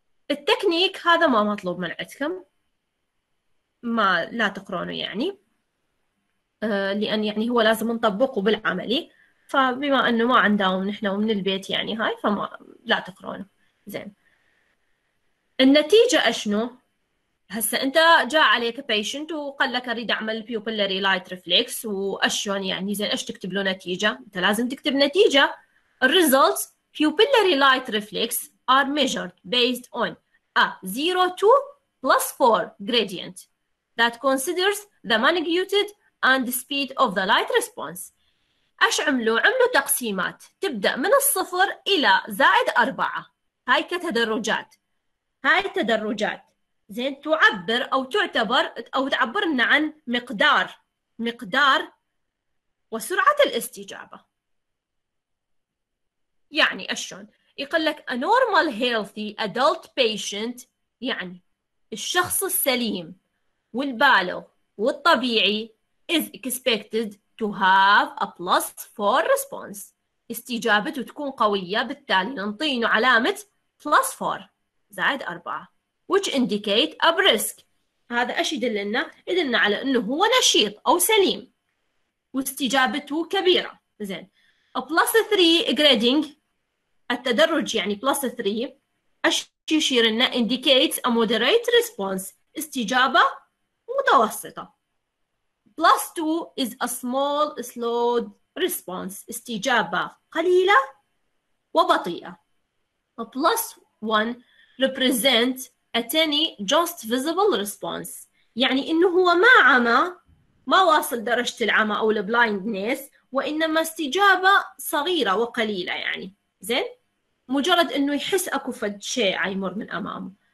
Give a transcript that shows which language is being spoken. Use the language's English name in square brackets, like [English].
[Arabic] التكنيك هذا ما مطلوب من عندكم، ما لا تقرونه يعني، لأن يعني هو لازم نطبقه بالعملي، فبما أنه ما عندهم نحن ومن البيت يعني هاي، فما لا تقرونه. زين. النتيجة أشنو؟ هسه أنت جاء عليك patient وقال لك أريد أعمل pupillary light reflex، وأشون يعني زين أش تكتب له نتيجة؟ أنت لازم تكتب نتيجة. [English] results pupillary light reflex are measured based on a 0 to plus 4 gradient that considers the magnitude and speed of the light response. [Arabic] اش عملوا؟ عملوا تقسيمات تبدا من الصفر الى زائد 4، هاي كتدرجات، هاي تدرجات. زين، تعبر او تعتبر او تعبر لنا عن مقدار وسرعه الاستجابه. يعني اشون؟ يقول لك [English] a normal healthy adult patient، [Arabic] يعني الشخص السليم والبالغ والطبيعي [English] is expected to have a plus 4 response، [Arabic] استجابته تكون قوية، بالتالي ننطينه علامة plus 4 زائد 4 [English] which indicate a brisk. [Arabic] هذا اش يدلنا؟ يدلنا على انه هو نشيط او سليم واستجابته كبيرة. [English] زين، a plus 3 grading، [Arabic] التدرج يعني [English] plus 3 اش [Arabic] يشير إنه [English] indicates a moderate response، [Arabic] استجابة متوسطة. [English] Plus 2 is a small slow response، [Arabic] استجابة قليلة وبطيئة. [English] A plus 1 represents a tiny just visible response، [Arabic] يعني إنه هو ما عمى، ما واصل درجة العمى أو blindness، وإنما استجابة صغيرة وقليلة يعني. زين؟ مجرد إنه يحس أكو فد شيء عيمر من أمامه.